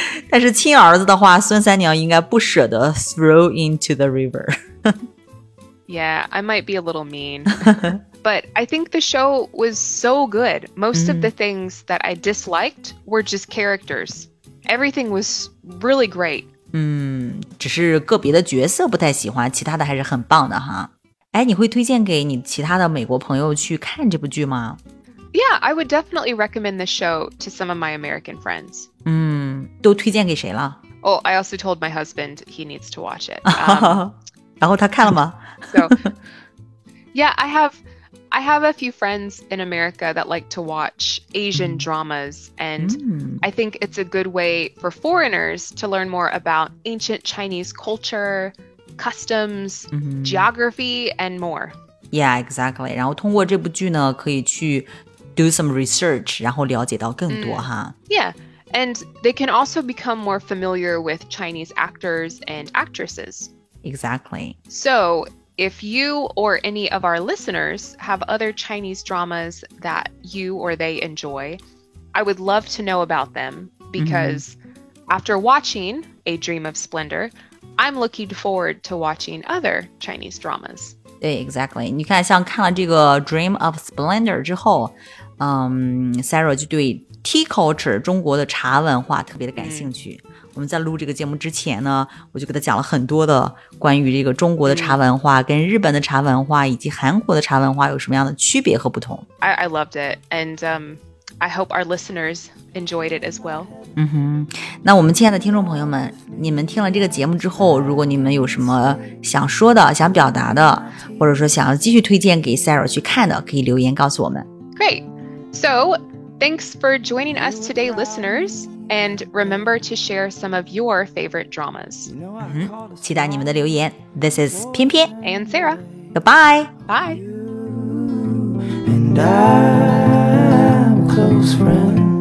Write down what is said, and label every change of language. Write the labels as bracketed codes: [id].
[zh] 但是亲儿子的话，孙三娘应该不舍得 [en] throw into the river. Yeah, I might be a little mean. But I think the show was so good. Most of the things that I disliked were just characters. Everything was really great. [zh] 只是个别的角色不太喜欢，其他的还是很棒的哈。你会推荐给你其他的美国朋友去看这部剧吗？ [en] Yeah, I would definitely recommend the show to some of my American friends. [zh] 都推荐给谁了？ [en] Oh, I also told my husband he needs to watch it. [zh] 然后他看了吗？ [en] So, yeah, I have a few friends in America that like to watch Asian dramas, and I think it's a good way for foreigners to learn more about ancient Chinese culture, customs, geography, and more. Yeah, exactly. [zh] 然后通过这部剧呢，可以去 [en] do some research, [zh] 然后了解到更多哈。 [en] Yeah, and they can also become more familiar with Chinese actors and actresses. Exactly. So, if you or any of our listeners have other Chinese dramas that you or they enjoy, I would love to know about them because after watching A Dream of Splendor, I'm looking forward to watching other Chinese dramas. [zh] 对 , [en] exactly. [zh] 你看像看了这个 Dream of Splendor 之后、Sarah 就对 Tea Culture, 中国的茶文化特别的感兴趣。我们在录这个节目之前呢，我就给他讲了很多的关于这个中国的茶文化跟日本的茶文化以及韩国的茶文化有什么样的区别和不同。 [en] I loved it, and I hope our listeners enjoyed it as well. [zh] 嗯哼，那我们亲爱的听众朋友们，你们听了这个节目之后，如果你们有什么想说的、想表达的，或者说想要继续推荐给 Sarah 去看的，可以留言告诉我们。 [en] Great. So, thanks for joining us today, listeners. And remember to share some of your favorite dramas. [zh] 期待你们的留言。 [en] This is [zh] 翩翩 [en] and Sarah. Goodbye. Bye. And I'm close friends.